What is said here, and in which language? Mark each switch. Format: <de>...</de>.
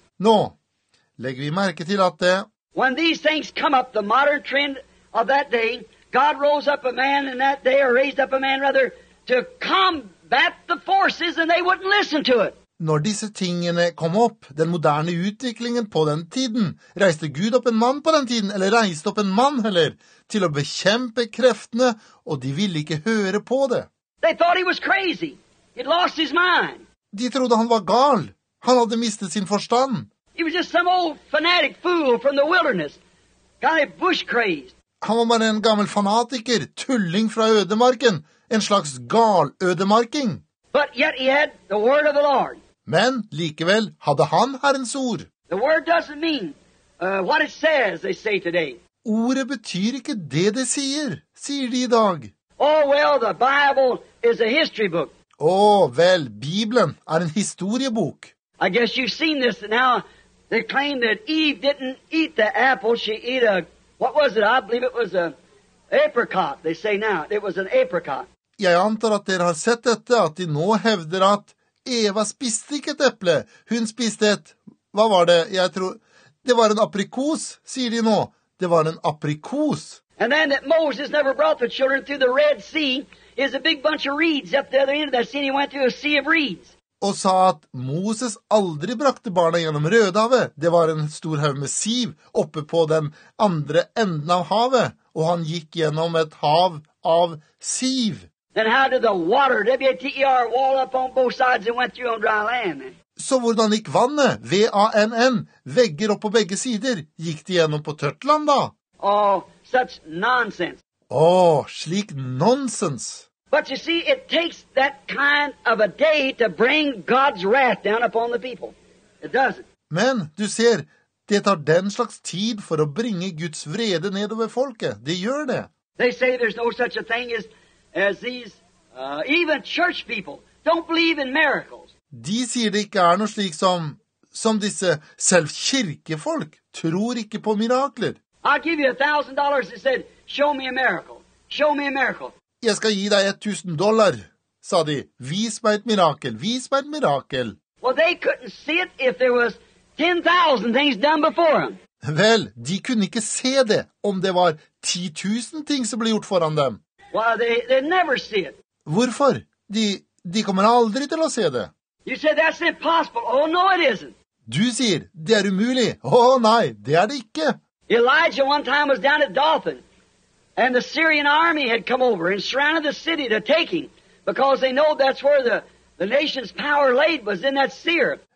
<no>Nå legger vi merke til at det...</no> <en>When these things come up, the modern trend of that day, God rose up a man in that day, or raised up a man rather, to combat the forces, and they wouldn't listen to it.</en> <no>Når disse tingene kom opp, den moderne utviklingen på den tiden, reiste Gud opp en mann på den tiden, eller reiste opp en mann heller, til å bekjempe kreftene, og de ville ikke høre på det.</no> <en>They thought he was crazy. He'd lost his mind.</en> <no>De trodde han var gal. Han hadde mistet sin forstand.</no> <en>He was just some old fanatic fool from the wilderness. Kind of bush crazed.</en> <no>Han var bare en gammel fanatiker, tulling fra ødemarken, en slags gal ödemarking.</no> <en>But yet he had the word of the Lord.</en> <no>Men likevel hade han Herrens ord.</no> <en>The word doesn't mean what it says they say today.</en> <no>Ordet betyr ikke det de sier, sier de i dag.</no> <en>Oh well, the Bible is a history book.</en> <no>Åh, vel, Bibelen en historiebok.</no> <en>I guess you've seen this now. They claim that Eve didn't eat the apple. She ate a, what was it? I believe it was an apricot. They say now it was an apricot.</en> <no>Jeg antar at dere har sett dette, at de nå hevder at Eva spiste ikke et eple. Hun spiste et, hva var det? Jeg tror, det var en aprikos, sier de nå. Det var en aprikos.</no> <en>And then that Moses never brought the children through the Red Sea is a big bunch of reeds up the other end of that sea. He went through a sea of reeds.</en> <no>Og sa at Moses aldri brakte barna gjennom Rødehavet. Det var en stor haug med siv oppe på den andre enden av havet. Og han gikk gjennom et hav av siv.</no> <en>Then how did the water, W-A-T-E-R, wall up on both sides and went through on dry land?</en> <no>Så hvordan gikk vannet, V-A-N-N, vegger opp på begge sider, gikk de gjennom på tørt land da?</no> <en>Oh, such nonsense.</en> <no>Oh, slik nonsens.</no> <en>But you see, it takes that kind of a day to bring God's wrath down upon the people. It doesn't.</en> <no>Men, du ser, det tar den slags tid for å bringe Guds vrede nedover folket. Det gjør det.</no> <en>They say there's no such a thing as these, even church people, don't believe in miracles.</en> <no>De sier det ikke noe slik som disse selv kirkefolk tror ikke på mirakler.</no> <en>I'll give you $1,000, he said, show me a miracle. Show me a miracle.</en> <no>Jeg skal gi deg $1,000, sa de. Vis meg et mirakel, vis meg et mirakel.</no> <en>Well, they couldn't see it if there was 10,000 things done before them.</en> <no>Vel, de kunne ikke se det om det var 10,000 ting som ble gjort foran dem.</no> <en>Well, they never see it.</en> <no>Hvorfor? De kommer aldri til å se det.</no> <en>You said that's impossible. Oh, no, it isn't.</en> <no>Du sier, det umulig. Oh, nei, det det ikke.</no> <en>Elijah one time was down at Dothan, and the Syrian army had come over and surrounded the city to taking, because they know that's where the nation's power laid was in that Syria.</en>